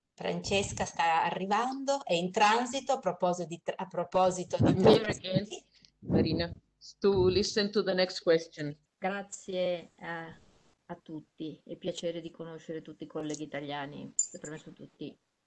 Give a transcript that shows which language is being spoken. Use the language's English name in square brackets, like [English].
[Italian] Francesca sta arrivando, è in transito, a proposito di [English] here again, Marina, to listen to the next question. [Italian] Grazie a tutti, è piacere di conoscere tutti i colleghi italiani, per me sono tutti.